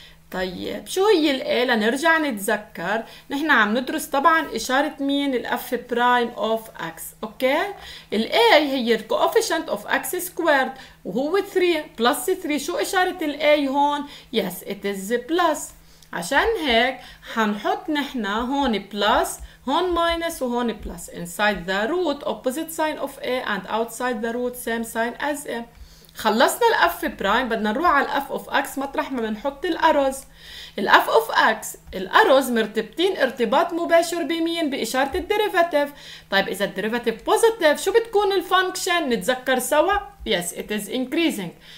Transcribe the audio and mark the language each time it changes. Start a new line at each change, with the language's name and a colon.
Arabic: طيب شو هي الA؟ لنرجع نتذكر نحن عم ندرس طبعا إشارة مين؟ الf prime of x. okay. الA هي الـ
English: coefficient of x squared
Arabic: وهو 3 plus 3. شو إشارة الA هون؟
English: yes it is plus.
Arabic: عشان هيك حنحط نحن هون plus, هون minus, وهون plus.
English: Inside the root opposite sign of a and outside the root same sign as a.
Arabic: خلصنا ال f برايم بدنا نروح على ال f of x مطرح ما بنحط الأرز. ال f of x الأرز مرتبطين ارتباط مباشر بمين؟ بإشارة الديريفاتيف. طيب إذا الديريفاتيف بوزيتيف شو بتكون الفانكشن؟ نتذكر سوا
English: yes it is increasing.